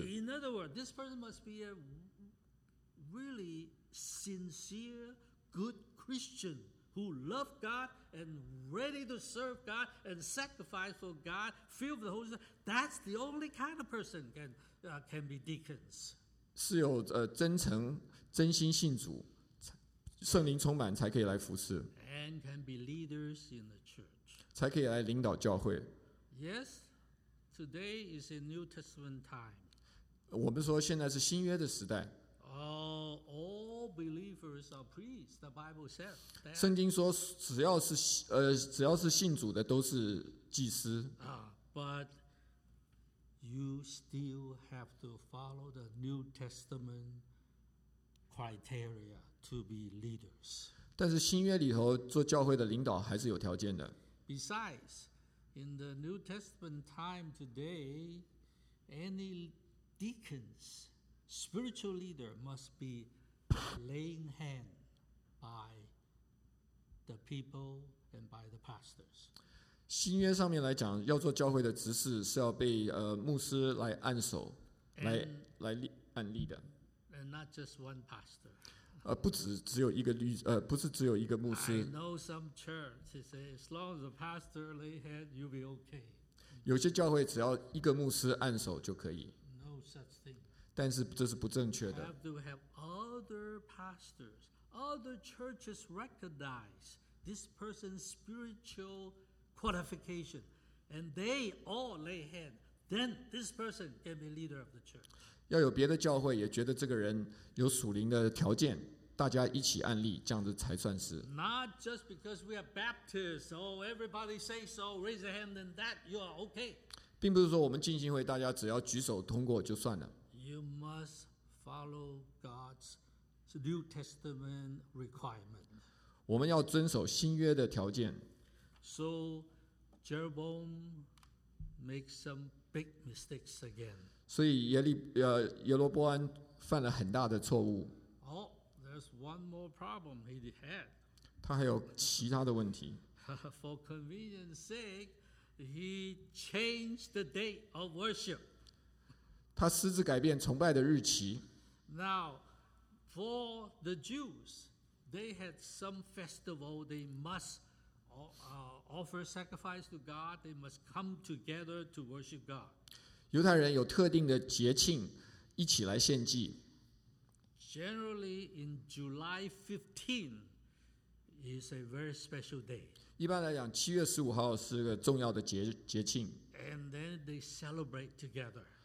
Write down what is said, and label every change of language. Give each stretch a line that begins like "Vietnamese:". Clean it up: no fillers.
English: In other words, this person must be a really sincere, good Christian who love God and ready to serve God and sacrifice for God, filled with the Holy Spirit. That's the only kind of person can be deacons.
Chinese: 是有真诚、真心信主、圣灵充满才可以来服侍。
English: And can be leaders in the church.
Chinese: 才可以来领导教会。
English: Yes, today is a New Testament time.
Chinese: 我们说现在是新约的时代。
English: All believers are priests. The Bible says.
Chinese: 圣经说，只要是信主的都是祭司。
English: But you still have to follow the New Testament criteria to be leaders.
Chinese: 但是新约里头做教会的领导还是有条件的。
English: Besides, in the New Testament time today, any deacons. Spiritual leader must be laying hand by the people and by the pastors.
Chinese: 新约上面来讲，要做教会的执事是要被牧师来按手，来按立的。
English: And not just one pastor.
Chinese: 不是只有一个牧师。
English: I know some church say as long as the pastor lay hand, you'll be okay.
Chinese: 有些教会只要一个牧师按手就可以。
English: No such thing.
Chinese: 但是这是不正确的。
English: Have to have other pastors, other churches recognize this person's spiritual qualification, and they all lay hand. Then this person can be leader of the church.
Chinese: 要有别的教会也觉得这个人有属灵的条件，大家一起按立，这样子才算是。
English: Not just because we are Baptists, everybody say so, raise a hand, and that you are okay.
Chinese: 并不是说我们浸信会大家只要举手通过就算了。
English: You must follow God's New Testament requirement.
Chinese: 我们要遵守新约的条件。
English: So Jeroboam makes some big mistakes again.
Chinese: 所以耶罗波安犯了很大的错误。
English: Oh, there's one more problem he had.
Chinese: 他还有其他的问题。
English: For convenience sake, he changed the date of worship.
Chinese: 他私自改变崇拜的日期。
English: Now, for the Jews, they had some festival they must offer sacrifice to God. They must come together to worship God.
Chinese: 犹太人有特定的节庆，一起来献祭。
English: Generally, in July 15 is a very special day.
Chinese: 一般来讲，七月十五号是个重要的节庆。
English: And then they celebrate together.